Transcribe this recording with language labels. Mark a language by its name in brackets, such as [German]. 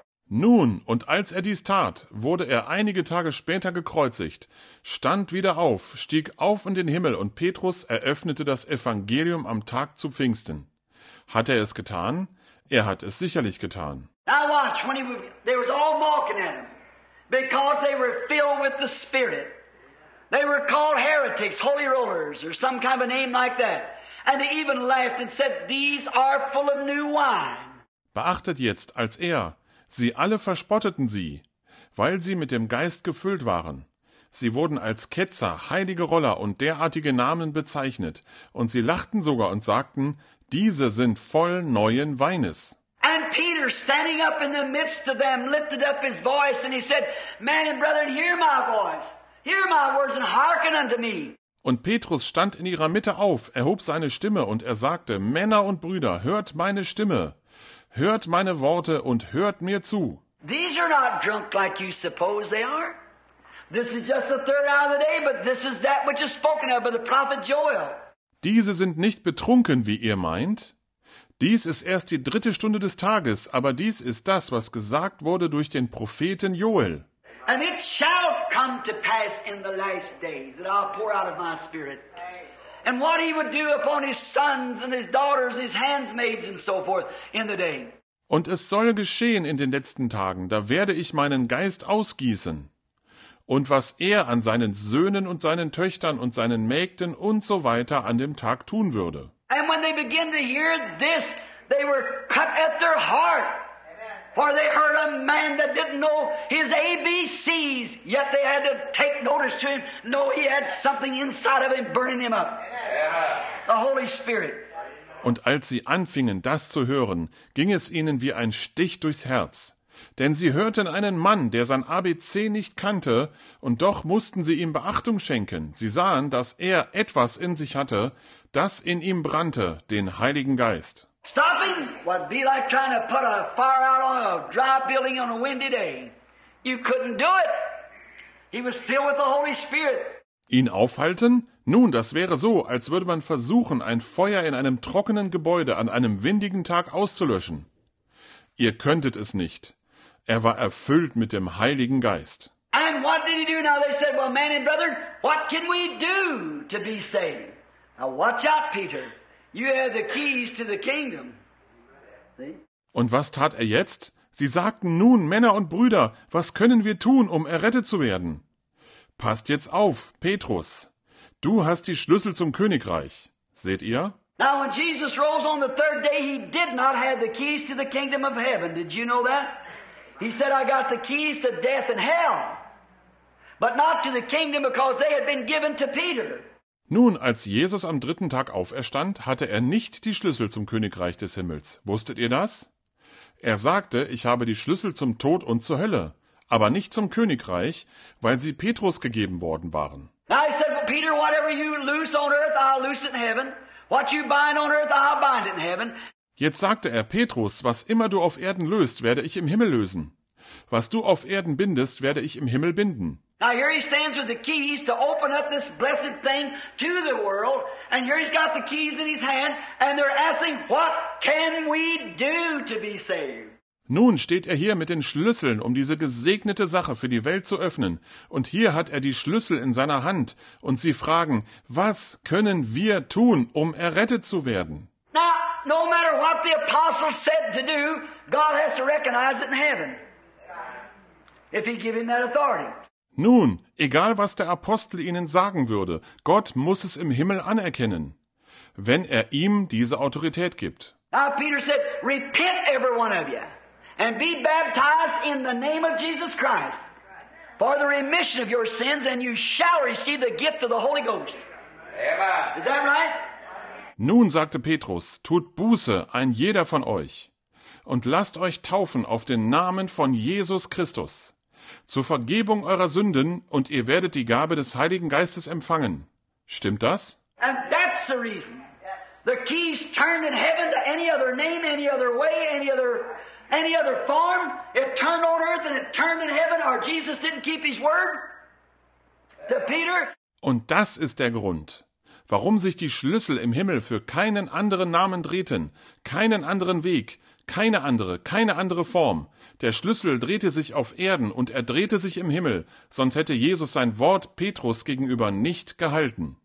[German] Nun, und als er dies tat, wurde er einige Tage später gekreuzigt, stand wieder auf, stieg auf in den Himmel und Petrus eröffnete das Evangelium am Tag zu Pfingsten. Hat er es getan? Er hat es sicherlich getan. [English] Now watch, when they were all mocking at him, because they were filled with the Spirit. They were called heretics, holy rollers, or some kind of a name like that. And they even laughed and said, these are full of new wine. [German] Beachtet jetzt, als er, sie alle verspotteten sie, weil sie mit dem Geist gefüllt waren. Sie wurden als Ketzer, heilige Roller und derartige Namen bezeichnet, und sie lachten sogar und sagten, diese sind voll neuen Weines. [English] And Peter, standing up in the midst of them, lifted up his voice and he said, Man and brethren, hear my voice. Hear my words and hearken unto me. [German] Und Petrus stand in ihrer Mitte auf, erhob seine Stimme und er sagte, Männer und Brüder, hört meine Stimme, hört meine Worte und hört mir zu. [English] These are not drunk like you suppose they are. This is just the third hour of the day, but this is that which is spoken of by the prophet Joel. [German] Diese sind nicht betrunken, wie ihr meint. Dies ist erst die dritte Stunde des Tages, aber dies ist das, was gesagt wurde durch den Propheten Joel. [English] And it shall come to pass in the last days that I'll pour out of my spirit. And what he would do upon his sons and his daughters, his handmaids and so forth in the day. [German] Und es soll geschehen in den letzten Tagen, da werde ich meinen Geist ausgießen. Und was er an seinen Söhnen und seinen Töchtern und seinen Mägden und so weiter an dem Tag tun würde. [English] And when they begin to hear this, they were cut at their heart. For they heard a man that didn't know his ABCs, yet they had to take notice to him. No, he had something inside of him burning him up. The Holy Spirit. [German] Und als sie anfingen, das zu hören, ging es ihnen wie ein Stich durchs Herz. Denn sie hörten einen Mann, der sein ABC nicht kannte, und doch mussten sie ihm Beachtung schenken. Sie sahen, dass er etwas in sich hatte, das in ihm brannte, den Heiligen Geist. [English] Stopping would be like trying to put a fire out on a dry building on a windy day. You couldn't do it. He was filled with the Holy Spirit. [German] Ihn aufhalten? Nun, das wäre so, als würde man versuchen, ein Feuer in einem trockenen Gebäude an einem windigen Tag auszulöschen. Ihr könntet es nicht. Er war erfüllt mit dem Heiligen Geist. [English] And what did he do now? They said, well, man and brother, what can we do to be saved? Now watch out, Peter. You have the keys to the kingdom. See? [German] Und was tat er jetzt? Sie sagten nun, Männer und Brüder, was können wir tun, um errettet zu werden? Passt jetzt auf, Petrus. Du hast die Schlüssel zum Königreich. Seht ihr? [English] Now when Jesus rose on the third day, he did not have the keys to the kingdom of heaven. Did you know that? He said, I got the keys to death and hell. But not to the kingdom because they had been given to Peter. [German] Nun, als Jesus am dritten Tag auferstand, hatte er nicht die Schlüssel zum Königreich des Himmels. Wusstet ihr das? Er sagte, ich habe die Schlüssel zum Tod und zur Hölle, aber nicht zum Königreich, weil sie Petrus gegeben worden waren. [English] Now he said, Peter, whatever you loose on earth, I'll loose it in heaven. What you bind on earth, I'll bind it in heaven. [German] Jetzt sagte er, Petrus, was immer du auf Erden löst, werde ich im Himmel lösen. Was du auf Erden bindest, werde ich im Himmel binden. [English] Now here he stands with the keys to open up this blessed thing to the world. And here he's got the keys in his hand. And they're asking, what can we do to be saved? [German] Nun steht er hier mit den Schlüsseln, um diese gesegnete Sache für die Welt zu öffnen. Und hier hat er die Schlüssel in seiner Hand. Und sie fragen, was können wir tun, um errettet zu werden? [English] Now, no matter what the apostles said to do, God has to recognize it in heaven. If he give him that authority. [German] Nun, egal was der Apostel ihnen sagen würde, Gott muss es im Himmel anerkennen, wenn er ihm diese Autorität gibt. [English] Now Peter said, repent every one of you and be baptized in the name of Jesus Christ for the remission of your sins and you shall receive the gift of the Holy Ghost. Amen. Is that right? [German] Nun sagte Petrus, tut Buße, ein jeder von euch, und lasst euch taufen auf den Namen von Jesus Christus. Zur Vergebung eurer Sünden und ihr werdet die Gabe des Heiligen Geistes empfangen. Stimmt das? [English] And that's the reason. The keys turned in heaven to any other name, any other way, any other form. It turned on earth and it turned in heaven. Our Jesus didn't keep his word to Peter. [German] Und das ist der Grund, warum sich die Schlüssel im Himmel für keinen anderen Namen drehten, keinen anderen Weg. Keine andere Form. Der Schlüssel drehte sich auf Erden und er drehte sich im Himmel, sonst hätte Jesus sein Wort Petrus gegenüber nicht gehalten.